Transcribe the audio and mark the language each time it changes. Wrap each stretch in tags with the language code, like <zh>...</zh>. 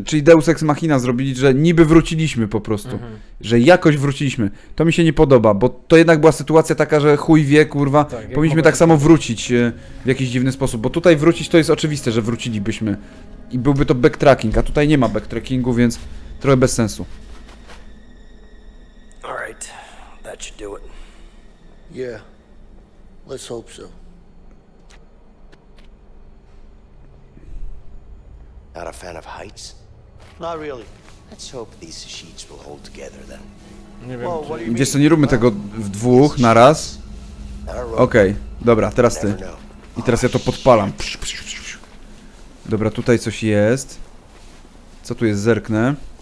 <pl>Czyli Deus Ex Machina zrobili, że niby wróciliśmy po prostu. Mhm. Że jakoś wróciliśmy. To mi się nie podoba, bo to jednak była sytuacja taka, że chuj wie, kurwa. Tak, powinniśmy tak samo wrócić w jakiś dziwny sposób. Bo tutaj wrócić to jest oczywiste, że wrócilibyśmy. I byłby to backtracking, a tutaj nie ma backtrackingu, więc trochę bez sensu.</pl> <en>Alright, that should do it. Yeah, let's hope so. Not a fan of heights? Not really. Let's hope these sheets will hold together then.</en> <pl>Nie wiem, well, czy... Wiesz co, nie róbmy tego w dwóch na raz. Okej, dobra, teraz ty. I teraz ja to podpalam. Dobra, tutaj coś jest. Co tu jest? Zerknę.</pl>